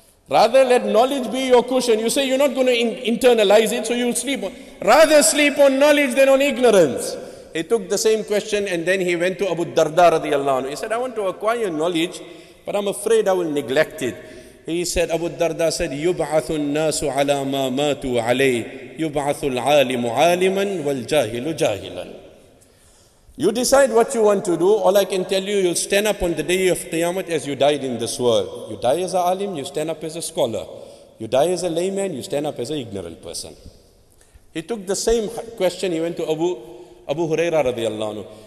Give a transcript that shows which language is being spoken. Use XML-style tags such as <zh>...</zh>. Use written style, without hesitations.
<en>Rather let knowledge be your cushion. You say you're not going to internalize it, so you'll sleep. Rather sleep on knowledge than on ignorance. He took the same question and then he went to Abu Darda radiallahu anhu. He said, I want to acquire knowledge, but I'm afraid I will neglect it. He said, Abu Darda said,</en> <ar>يُبْعَثُ النَّاسُ عَلَى مَا مَاتُوا عَلَيْهِ يُبْعَثُ الْعَالِمُ عَالِمًا وَالْجَاهِلُ جَاهِلًا.</ar> <en>You decide what you want to do. All I can tell you, you'll stand up on the day of Qiyamah as you died in this world. You die as an alim, you stand up as a scholar. You die as a layman, you stand up as an ignorant person. He took the same question, he went to Abu Huraira radiallahu anhu.</en>